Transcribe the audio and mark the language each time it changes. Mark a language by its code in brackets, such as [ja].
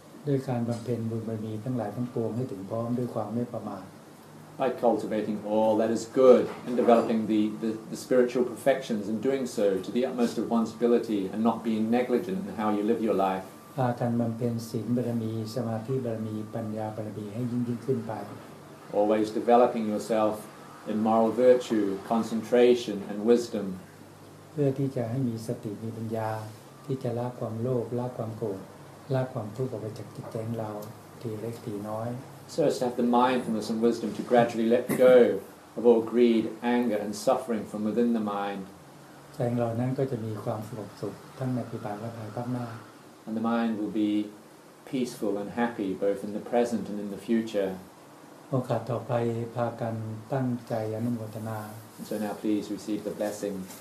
[th] ด้วยการบำเพ็ญบุญบารมีทั้งหลายทั้งปวงให้ถึงพร้อมด้วยความไม่ประมาท [en] By cultivating all that is good and developing the spiritual perfections and doing so to the utmost of one's ability and not being negligent in how you live your life. [th] พากันบำเพ็ญศีลบารมีสมาธิบารมีปัญญาบารมีให้ยิ่งยิ่งขึ้นไป [en] Always developing yourself in moral virtue, concentration, and wisdom. [th] เพื่อที่จะให้มีสติมีปัญญาที่จะละความโลภละความโกรธละความทุกข์ออกไปจากจิตใจของเราทีเล็กทีน้อย [en] So as to have the mindfulness and wisdom to gradually let go of all greed, anger, and suffering from within the mind. [th] ใจของเรานั้นก็จะมีความสงบสุขทั้งในปัจจุบันและภายภาคหน้า [en] And the mind will be peaceful and happy both in the present and in the future. [th] โอกาสต่อไปพากันตั้งใจอนุโมทนา [en] So now please receive the blessing.